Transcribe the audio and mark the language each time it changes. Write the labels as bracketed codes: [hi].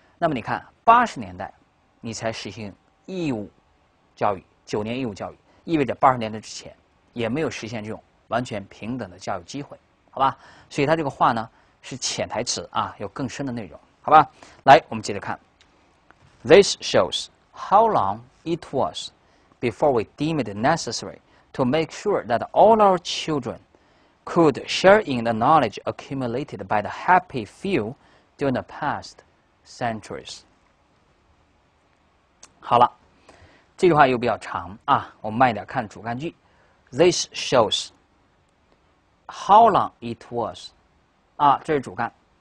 [zh] 那么你看80年代，你才实行义务教育，9年义务教育，意味着80年代之前也没有实现这种完全平等的教育机会，好吧？所以他这个话呢是潜台词啊，有更深的内容。好吧，来，我们接着看。 [en] This shows how long it was before we deemed it necessary to make sure that all our children could share in the knowledge accumulated by the happy few during the past centuries. [zh] 好了，这句话又比较长啊，我们慢一点看主干句。 [en] This shows how long it was [zh] 啊，这是主干。